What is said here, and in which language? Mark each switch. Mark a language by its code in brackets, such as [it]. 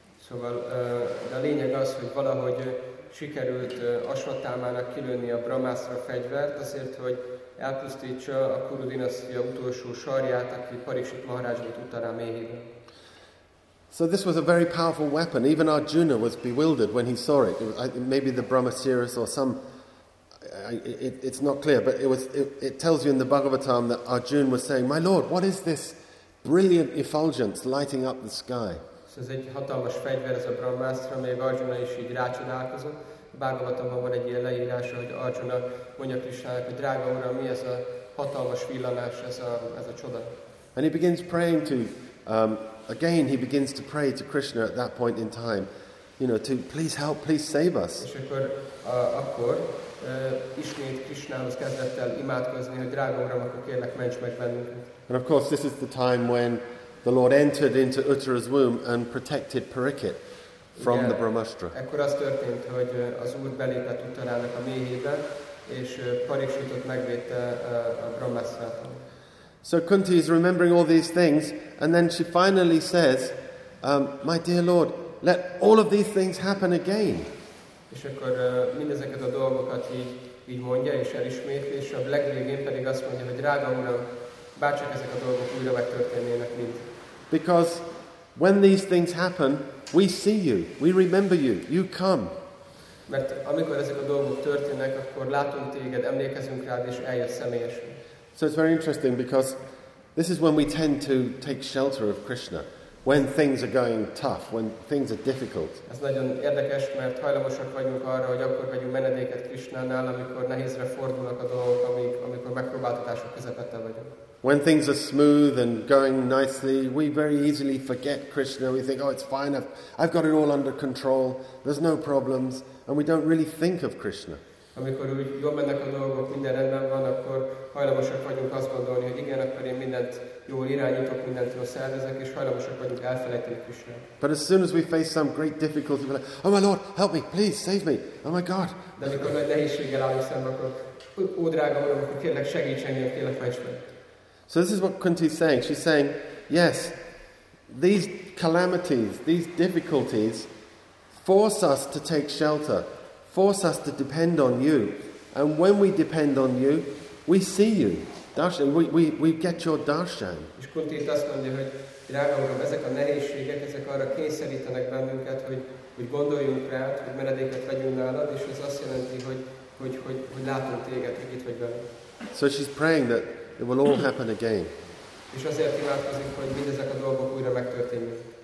[hu] Szóval, de a lényeg az, hogy valahogy sikerült Ashvatthamának kilőni a Brahmastra fegyvert, azért, hogy elpusztítsa a Kuru dinasztia utolsó sarját, aki Parikshit Maharaj volt Uttara méhében. [en] So this was a very powerful weapon. Even Arjuna was bewildered when he saw it. Maybe the Brahmasiris or some... It's not clear, but it tells you in the Bhagavatam that Arjuna was saying, "My Lord, what is this brilliant effulgence lighting up the sky?" [hu] So ez egy hatalmas fegyver, ez a Brahmastra, amely Arjuna is így rácsodálkozott. Bhagavatamban van egy ilyen leírás, hogy Arjuna mondja Krisnának, hogy drága uram, mi ez a hatalmas villanás, ez a csoda. [en] And he begins praying to... again, he begins to pray to Krishna at that point in time, you know, to please help, please save us. [hu] És akkor, ismét Krishnához kezdett el imádkozni, hogy drága uram, akkor kérlek, ments meg bennünket. [en] And of course, this is the time when the Lord entered into Uttara's womb and protected Parikit from the Brahmastra. [hu] Ekkor az történt, hogy az Úr belépett Uttarának a méhébe, és Parikshitot megvédte a Brahmastrától. [en] So Kunti is remembering all these things, and then she finally says, "My dear Lord, let all of these things happen again." [hu] És akkor mindezeket a dolgokat így mondja és elismétli, és a legvégén pedig azt mondja, hogy drága uram, bárcsak ezek a dolgok újra megtörténnének mind. [en] Because when these things happen, we see you, we remember you, you come. [hu] Mert amikor ezek a dolgok történnek, akkor látunk téged, emlékezünk rád, és eljössz személyesen. [en] So it's very interesting because this is when we tend to take shelter of Krishna, when things are going tough, when things are difficult. [hu] Ez nagyon érdekes, mert hajlamosak vagyunk arra, hogy akkor vegyünk menedéket Krishnánál, amikor nehézre fordulnak a dolgok, amikor megpróbáltatások közepette vagyunk. [en] When things are smooth and going nicely, we very easily forget Krishna. We think, oh, it's fine, I've got it all under control, there's no problems, and we don't really think of Krishna. [hu] Amikor úgy jól mennek a dolgok, minden rendben van, akkor hajlamosak vagyunk azt gondolni, hogy igen, akkor én mindent jól irányítok, mindent jól szervezek, és hajlamosak vagyunk elfelejteni Krisnát. [en] But as soon as we face some great difficulty, we're like, oh my Lord, help me, please, save me, oh my God. [hu] De amikor nagy nehézséggel állunk szemben, akkor ó, drága uram, akkor kérlek, segíts engem, kérlek, fejtsd meg. [en] So this is what Kunti is saying. She's saying, yes, these calamities, these difficulties force us to take shelter, force us to depend on you. And when we depend on you, we see you. Darshan, we get your darshan. [hu] És Kunti itt azt mondja, hogy drága uram, ezek a nehézségek, ezek arra kényszerítenek bennünket, hogy gondoljunk rád, hogy menedéket vegyünk nálad, és ez azt jelenti, hogy látunk téged, hogy itt vagy velünk. [en] So she's praying that it will all happen again. [hu] És azért imádkozik, hogy mindezek a dolgok újra megtörténjenek.